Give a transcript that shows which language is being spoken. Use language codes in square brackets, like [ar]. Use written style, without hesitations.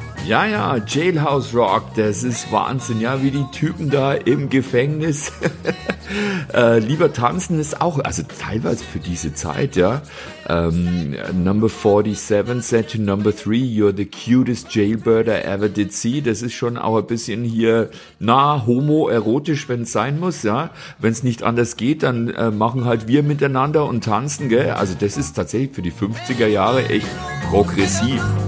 [de] Ja, ja, Jailhouse Rock, das ist Wahnsinn. Ja, wie die Typen da im Gefängnis lieber tanzen ist auch, also teilweise für diese Zeit, ja. [en] Number 47 said to number 3, you're the cutest jailbird I ever did see. [de] Das ist schon auch ein bisschen hier, na, homoerotisch, wenn es sein muss, ja. Wenn es nicht anders geht, dann machen halt wir miteinander und tanzen, gell. Also das ist tatsächlich für die 50er Jahre echt progressiv.